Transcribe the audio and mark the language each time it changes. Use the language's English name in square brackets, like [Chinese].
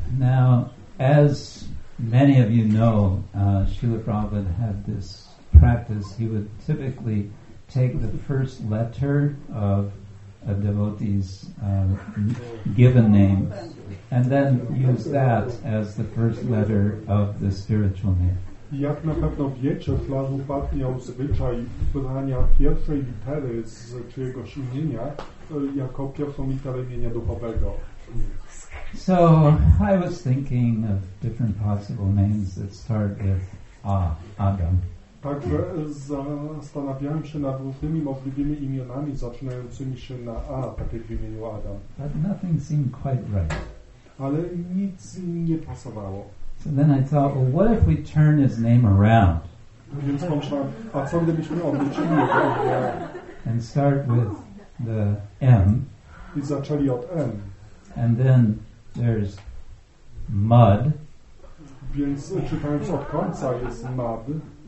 [English] Now, as many of you know, Srila Prabhupada had this practice. He would typically take the first letter of a devotee's given name, and then use that as the first letter of the spiritual name. [Polish] Jak na pewno wiecie, Śrīla Prabhupāda miał zwyczaj wybrania pierwszej litery z czyjegoś imienia jako pierwszą literę imienia duchowego. [English] So I was thinking of different possible names that start with Adam. [Polish] Także zastanawiałem się nad różnymi możliwymi imionami zaczynającymi się na A, tak jak w imieniu Adam. [English] But nothing seemed quite right. [Polish] Ale nic nie pasowało. [English] So then I thought, well, what if we turn his name around? [Polish] Więc pomyślałem, a co gdybyśmy odwrócili jego imię? [English] And start with the M. [Polish] I zaczęli od M. [English] And then there's mud. [Polish] Więc czytając od końca jest mud.